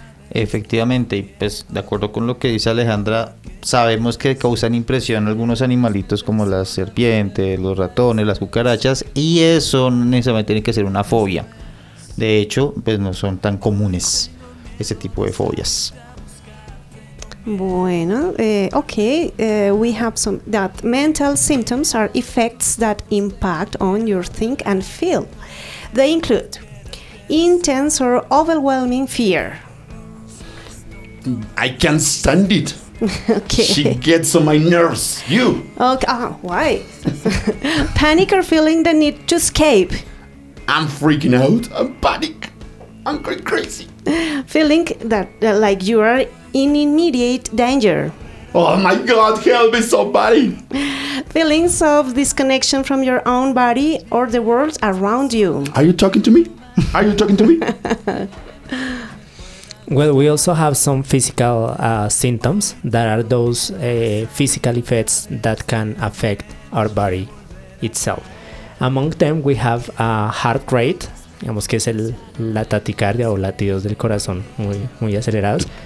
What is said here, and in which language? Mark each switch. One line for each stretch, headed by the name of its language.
Spanish: Efectivamente, y pues de acuerdo con lo que dice Alejandra, sabemos que causan impresión algunos animalitos como las serpientes, los ratones, las cucarachas, y eso necesariamente tiene que ser una fobia. De hecho, pues no son tan comunes ese tipo de fobias.
English: Bueno, we have some that mental symptoms are effects that impact on your think and feel. They include intense or overwhelming fear. I can't stand it. Okay. She gets on my nerves. You. Okay. Why? Panic or feeling the need to escape. I'm freaking out. I'm panic. I'm going crazy. Feeling that like you are in immediate danger. Oh my God! Help me, somebody. Feelings of disconnection from your own body or the world around you. Are you talking to me? Are you talking to me? Well, we also have some physical symptoms that are those physical effects that can affect our body itself. Among them, we have a heart rate,
Spanish: digamos que es la taquicardia o latidos del corazón muy, muy acelerados.